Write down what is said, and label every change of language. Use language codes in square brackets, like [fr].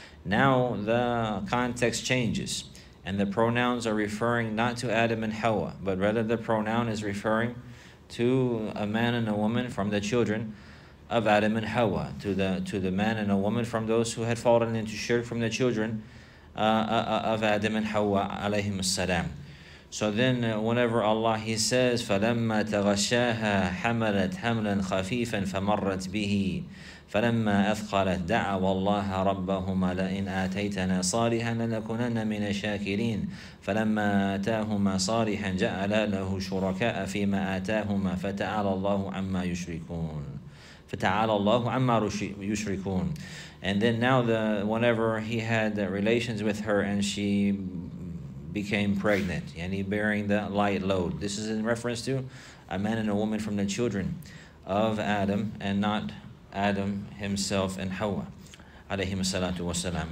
[en] Now the context changes, and the pronouns are referring not to Adam and Hawa, but rather the pronoun is referring to a man and a woman from the children of Adam and Hawa, to the man and a woman from those who had fallen into shirk, from the children of Adam and Hawa alayhim as-salam. So then whenever Allah, he says, [ar] فَلَمَّا تَغَشَّاهَا حَمَلَتْ حَمْلًا خَفِيفًا فَمَرَّتْ بِهِ فَلَمَّا أَثْقَلَتْ دَعَوَ اللَّهَ رَبَّهُمَ لَئِنْ آتَيْتَنَا صَالِحًا لَنَكُنَنَّ مِنَ الشَّاكِرِينَ فَلَمَّا آتَاهُمَا صَالِحًا جَعَلَ لَهُ شُرَكَاءَ فِي مَا آتَاهُمَا فَتَعَالَ اللَّهُ عَمَّا يُشْرِكُونَ فَتَعَالَ اللَّهُ عَمَّا يُشْرِكُونَ. [en] And then now whenever he had relations with her and she became pregnant, yani bearing the light load. This is in reference to a man and a woman from the children of Adam, and not Adam himself and Hawa alayhim salatu wasalam.